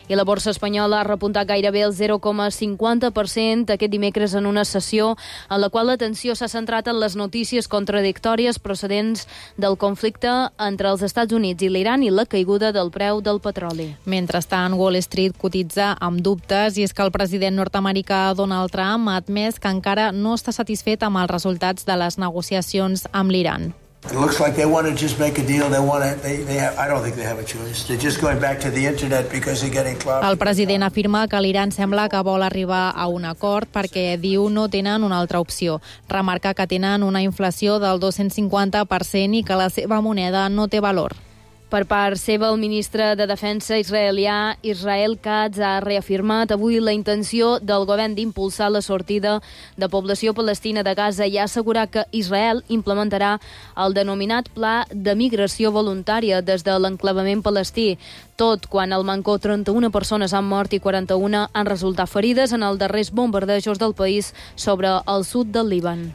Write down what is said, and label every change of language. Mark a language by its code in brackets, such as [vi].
[ca] I la borsa espanyola ha repuntat gairebé el 0,50% aquest dimecres en una sessió en la qual l'atenció s'ha centrat en les notícies contradictòries procedents del conflicte entre els Estats Units i l'Iran i la caiguda del preu del petroli. Mentrestant, Wall Street cotitza amb dubtes i és que el president nord-americà Donald Trump ha admès que encara no està satisfet amb els resultats de les negociacions amb l'Iran. [en] It looks like they want to just make a deal. I don't think they have a choice. They're just going back to the internet because they're getting clobbered. [ca] El president afirma que l'Iran sembla que vol arribar a un acord perquè diu no tenen una altra opció. Remarca que tenen una inflació del 250% i que la seva moneda no té valor. Per part seva, el ministre de Defensa israelià, Israel Katz, ha reafirmat avui la intenció del govern d'impulsar la sortida de població palestina de Gaza i ha assegurat que Israel implementarà el denominat pla de migració voluntària des de l'enclavament palestí, tot quan al Mancor 31 persones han mort i 41 han resultat ferides en els darrers bombardejos del país sobre el sud del Líban.